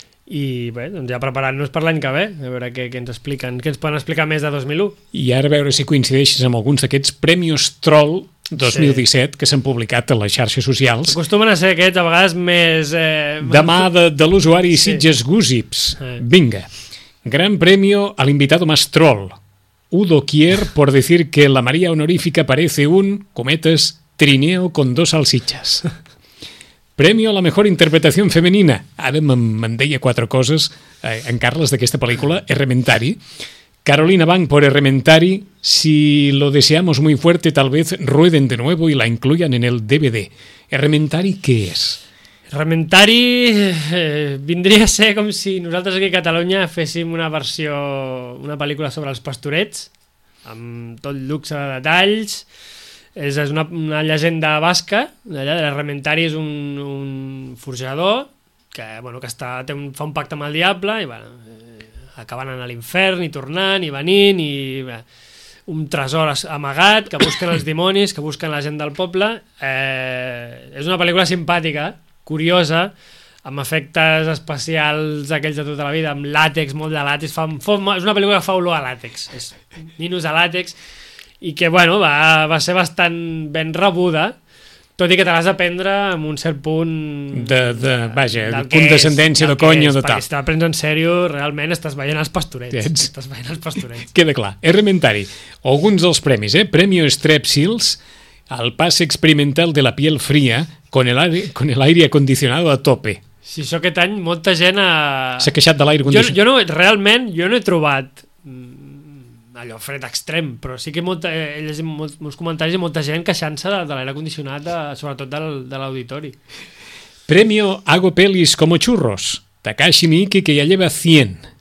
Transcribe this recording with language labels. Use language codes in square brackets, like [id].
[ca] I bé, doncs ja preparant-nos per l'any que ve, a veure què ens expliquen, què ens poden explicar més de 2001. I ara a veure si coincideixes amb alguns d'aquests Premios Troll 2017, sí, que s'han publicat a les xarxes socials. Acostumen a ser aquests, a vegades, més... Demà de l'usuari, sí. Sitges Gusips. Sí. Vinga. [es] Gran premio al invitado más troll. Udo Kier por decir que la María honorífica parece un, cometas, trineo con dos salsichas. Premio a la mejor interpretación femenina. [ca] Ara me'n deia quatre coses en Carles d'aquesta pel·lícula, Errementari. [es] Carolina Bang por Errementari. Si lo deseamos muy fuerte, tal vez rueden de nuevo y la incluyan en el DVD. ¿Errementari qué es? [ca] Errementari vindria a ser com si nosaltres aquí a Catalunya féssim una versió, una pel·lícula sobre els pastorets, amb tot luxe de detalls. És una llegenda basca, d'allà, de l'Errementari és un forjador que, bueno, que està, fa un pacte amb el diable i, bueno, acaben anant a l'infern i tornant i venint i, bueno, un tresor amagat que busquen els dimonis, que busquen la gent del poble. És una pel·lícula simpàtica, curiosa, amb efectes especials aquells de tota la vida, amb làtex, molt de làtex, és una pel·lícula que fa olor a làtex, és ninos a làtex, i que, bueno, va ser bastant ben rebuda, tot i que te l'has d'aprendre amb un cert punt de vaja, de condescendència, de conya, de tal. Si te l'aprens en sèrio, realment estàs veient els pastorets. Estàs veient els pastorets. Queda clar. Errementari. Alguns dels premis, eh? [es] Premio Strepsils, al passe experimental de la piel fría, con el aire acondicionado a tope. [ca] Si això aquest any molta gent ha... S'ha queixat de l'aire condicionat. Jo no he trobat allò fred extrem, però sí que molts comentaris i molta gent queixant-se de l'aire condicionat, sobretot de l'auditori. [es] Premio Hago Pelis como Churros, Takashi Miike, que ja lleva 100.